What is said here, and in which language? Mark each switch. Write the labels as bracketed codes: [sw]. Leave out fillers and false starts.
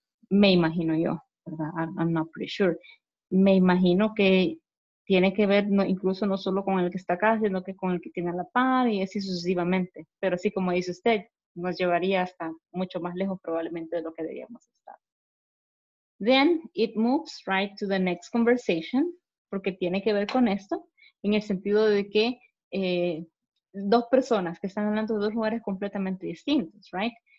[es] Me imagino yo, ¿verdad? [en] I'm not pretty sure. [es] Me imagino que tiene que ver no, incluso no solo con el que está acá, sino que con el que tiene a la par y así sucesivamente. Pero así como dice usted, nos llevaría hasta mucho más lejos probablemente de lo que deberíamos estar. [en] Then, it moves right to the next conversation. [es] Porque tiene que ver con esto, en el sentido de que dos personas que están hablando de dos lugares completamente distintos, right?